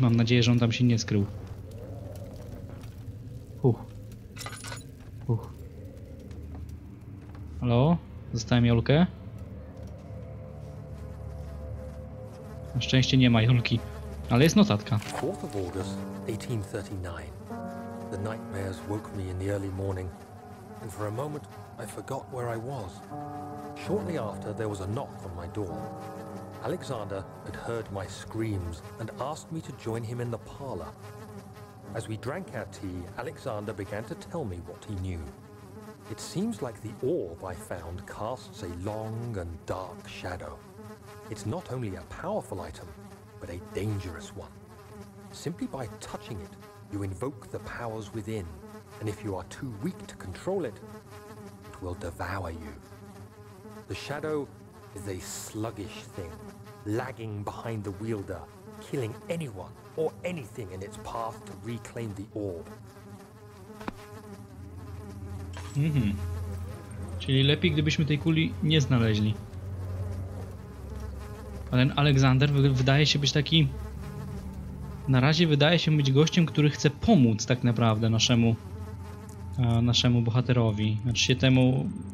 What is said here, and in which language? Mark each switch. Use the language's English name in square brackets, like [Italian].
[Polish] Mam nadzieję, że on tam się nie skrył. Uch. Halo? Zostałem Jolkę? Na szczęście nie ma Jolki. Ale jest notatka. [English] 4 August 1839. The nightmares woke me in the early morning. And for a moment I forgot where I was. Shortly after there was a knock on my door. Alexander had heard my screams and asked me to join him in the parlor. As we drank our tea, Alexander began to tell me what he knew. It seems like the orb I found casts a long and dark shadow. It's not only a powerful item, but a dangerous one. Simply by touching it, you invoke the powers within, and if you are too weak to control it, it will devour you. The shadow is a sluggish thing, lagging behind the wielder, killing anyone or anything in its path to reclaim the orb. Mhm. [Polish] Czyli lepiej, gdybyśmy tej kuli nie znaleźli. A ten Alexander wydaje się być taki... Na razie wydaje się być gościem, który chce pomóc tak naprawdę naszemu bohaterowi. Znaczy się temu...